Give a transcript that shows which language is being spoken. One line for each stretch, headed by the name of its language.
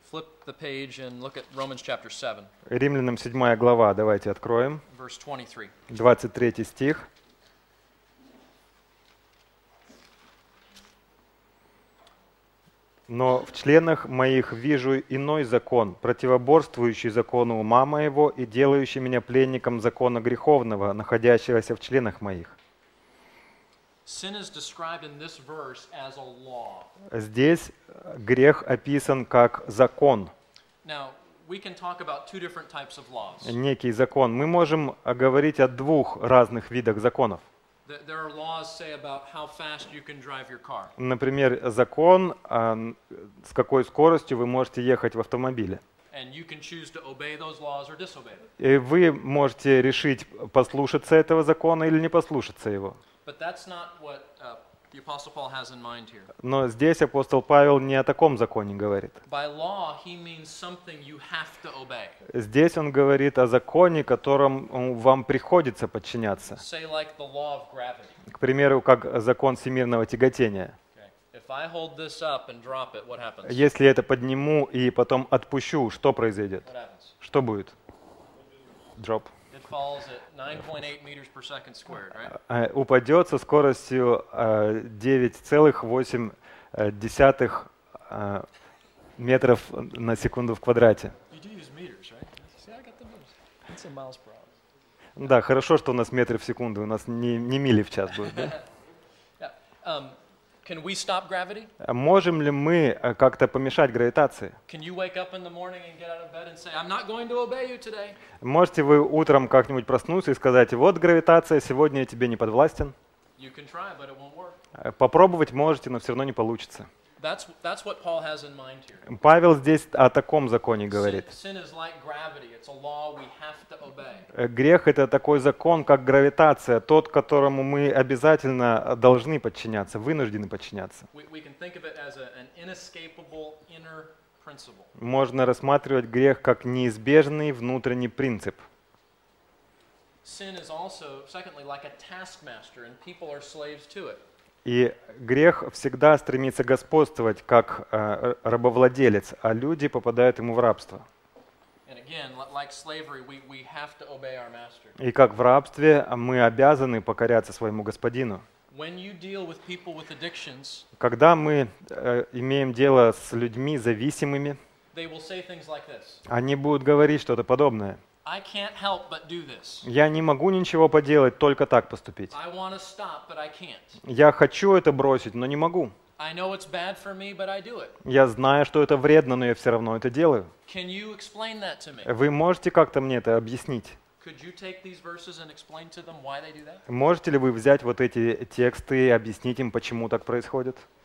English: Flip the page and look at Romans chapter 7.
Russian: Римлянам 7 глава, давайте откроем.
English: Verse 23.
Russian: 23 стих. Но в членах моих вижу иной закон, противоборствующий закону ума моего и делающий меня пленником закона греховного, находящегося в членах моих.
English: Sin is described in this verse as a law.
Russian: Здесь грех описан как закон.
English: Now, we can talk about two different types of laws.
Russian: Некий закон. Мы можем говорить о двух разных видах законов.
English: There are laws say about how fast you can drive your car.
Russian: Например, закон, с какой скоростью вы можете ехать в автомобиле.
English: And you can choose to obey those laws or disobey them.
Russian: И вы можете решить, послушаться этого закона или не послушаться его.
English: But that's not what the apostle Paul has in mind here.
Russian: Но здесь апостол Павел не о таком законе говорит.
English: By law he means something you have to obey.
Russian: Здесь он говорит о законе, которому вам приходится подчиняться.
English: Say like the law of gravity.
Russian: К примеру, как закон всемирного тяготения.
English: If I hold this up and drop it, what happens?
Russian: Если я это подниму и потом отпущу, что произойдет? Что будет?
English: Drop. It falls at 9.8 meters per second squared, right?
Russian: Упадет со скоростью 9.8 метров на секунду в квадрате.
English: You do use meters, right? See, I got the meters. It's a miles per hour.
Russian: Да, хорошо, что у нас метры в секунду, у нас не мили в час будет, да?
English: Yeah. Can we stop gravity?
Russian: Можем ли мы как-то помешать гравитации?
English: Can you wake up in the morning and get out of bed and say, I'm not going to obey you today?
Russian: Можете вы утром как-нибудь проснуться и сказать, вот гравитация, сегодня я тебе не подвластен?
English: You can try, but it won't work.
Russian: Попробовать можете, но все равно не получится.
English: That's what Paul has in mind here.
Russian: Павел здесь о таком законе говорит.
English: Sin is like gravity. It's a law we have to obey.
Russian: Грех — это такой закон, как гравитация, тот, которому мы обязательно должны подчиняться, вынуждены подчиняться.
English: We can think of it as an inescapable inner principle.
Russian: Можно рассматривать грех как неизбежный внутренний принцип.
English: Sin is also, secondly, like a taskmaster, and people are slaves to it.
Russian: И грех всегда стремится господствовать как рабовладелец, а люди попадают ему в рабство.
English: Again, like slavery, we have to obey our master.
Russian: И как в рабстве, мы обязаны покоряться своему господину.
English: When you deal with people with addictions,
Russian: когда мы имеем дело с людьми зависимыми,
English: they will say things like this.
Russian: Они будут говорить что-то подобное.
English: I can't help but do this.
Russian: Я не могу ничего поделать, только так поступить.
English: I want to stop, but I can't.
Russian: Я хочу это бросить, но не могу.
English: I know it's bad for me, but I do it.
Russian: Я знаю, что это вредно, но я все равно это делаю.
English: Can you explain that to me?
Russian: Вы можете как-то мне это объяснить?
English: Could you take these verses and explain to them why they do that?
Russian: Можете ли вы взять вот эти тексты и объяснить им, почему так происходит?